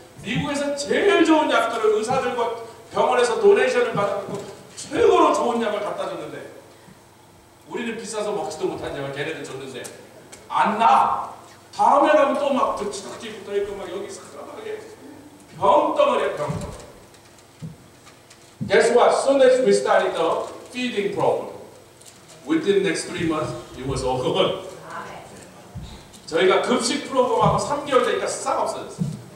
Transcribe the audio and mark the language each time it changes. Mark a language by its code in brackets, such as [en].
[ko] 미국에서 제일 좋은 약들을 의사들과 병원에서 도네이션을 받아서 최고로 좋은 약을 갖다 줬는데 우리는 비싸서 먹지도 못한 약을 걔네들 줬는데 안 나! 다음에 가면 또 막 덕지덕지 붙어있고 막 여기 사람하게 병덩어리야 병덩어리. [en] Guess what? As soon as we started the feeding problem, within the next 3 months, it was all gone. [ko] 저희가 급식 프로그램하고 3개월 되니까 싹 없어졌어요.